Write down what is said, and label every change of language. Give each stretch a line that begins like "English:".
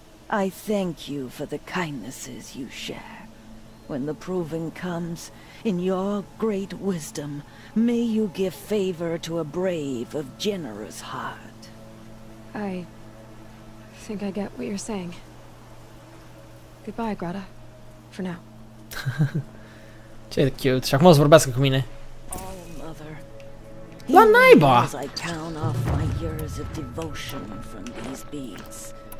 English: I thank you for the kindnesses you share. When the proving comes, in your great wisdom, may you give favor to a brave of generous heart. I think I get what you're saying. Goodbye, Grata. For now.
Romanian: Ce cute. Și acum o să vorbească cu mine.
English: Allmother.
Romanian: La naiba!
English: I count off my years of devotion from these beads.